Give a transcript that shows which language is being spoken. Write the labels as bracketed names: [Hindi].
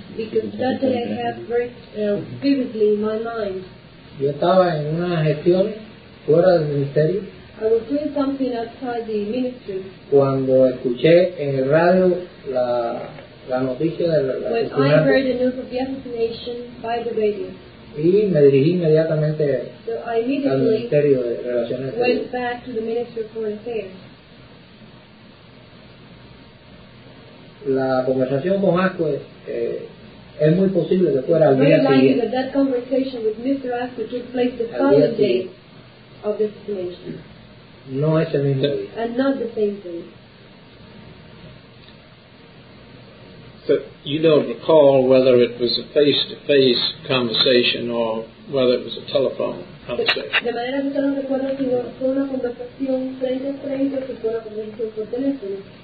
[English] Because that day I have very vividly in my mind. [Spanish] Yo estaba en una gestión fuera del ministerio. [English] I was doing something outside the ministry. [Spanish] Cuando escuché en el radio la noticia de la [English] When I heard the news of the assassination by the radio. [Spanish] Y me dirigí inmediatamente so al ministerio de Relaciones Exteriores. [English] Went back to the Ministry of Foreign Affairs. [Spanish] La conversación con Asco es muy posible que fuera al día siguiente. [English] Very likely that that conversation with Mr. Asco took place the following day of the situation. [Spanish] No ese mismo día. [English] And not the same day. So you don't recall whether it was a face-to-face conversation or whether it was a telephone conversation. [Spanish] De manera que usted no recuerda si fue una conversación frente a frente o si fue una conversación por teléfono.